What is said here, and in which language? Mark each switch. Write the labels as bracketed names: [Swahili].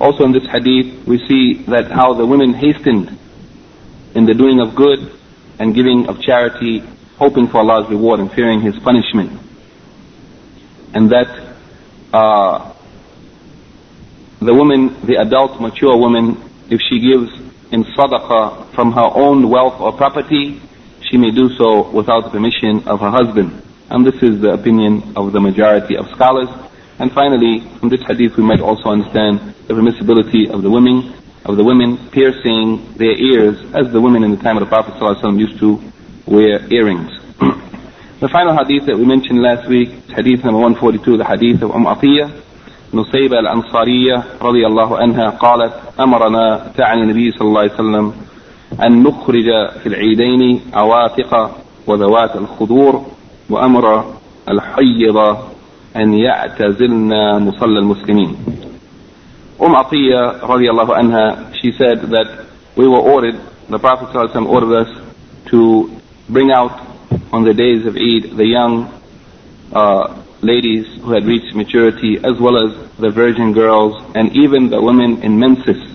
[English] Also in this hadith we see that how the women hastened in the doing of good and giving of charity, hoping for Allah's reward and fearing His punishment, and that the woman, the adult mature woman, if she gives in sadaqah from her own wealth or property, she may do so without the permission of her husband. And this is the opinion of the majority of scholars. And finally, from this hadith we might also understand the permissibility of the women piercing their ears, as the women in the time of the Prophet ﷺ used to wear earrings. The final hadith that we mentioned last week, hadith number 142, the hadith of Atiyah [Arabic] نصيبة الأنصارية رضي الله عنها قالت أمرنا تعالى النبي صلى الله عليه وسلم أن نخرج في العيدين عواتق وذوات الخدور وأمر الحيض أن يعتزلنا مصلى المسلمين. [English] عطية رضي الله عنها, she said that we were ordered, the Prophet صلى الله عليه وسلم ordered us to bring out on the days of Eid the young ladies who had reached maturity, as well as the virgin girls, and even the women in menses.